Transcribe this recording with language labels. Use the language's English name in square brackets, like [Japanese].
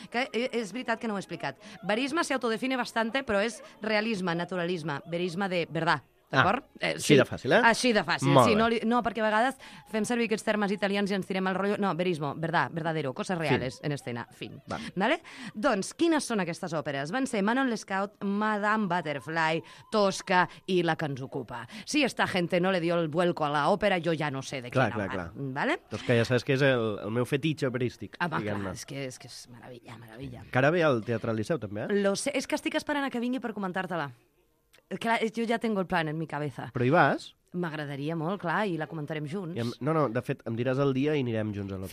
[Catalan] Que és veritat que no ho he explicat. Verisme [Spanish] se autodefine bastante, [Catalan] però és realisme, naturalisme, verisme [Spanish] de verdad. [Catalan] D'acord? Ah, així de fàcil, eh? Així de fàcil. Molt sí, no, perquè a vegades fem servir aquests termes italians i ens tirem el rotllo... No, [Spanish] verismo, verdadero, [Catalan] coses reales en escena. Fin. Vale? Doncs, quines són aquestes òperes? Van ser Manon Lescaut, Madame Butterfly, Tosca i La que ens ocupa. [Spanish] Si esta gente no le dio el vuelco a la òpera, [Catalan] jo ja no sé de clar, quina clar, va. Vale? Tosca, ja saps que és el meu fetitge operístic. Home, clar, és que és meravella, meravella. Que ara ve al Teatre Liceu, també, eh? Lo sé, és que estic esperant a que vingui per comentar-te-la. Clar, jo ja tinc [Spanish] el plan en mi cabeza. [Catalan] Però hi vas? M'agradaria molt, clar, i la comentarem junts. No, de fet, em diràs el dia i anirem junts a l'òpera.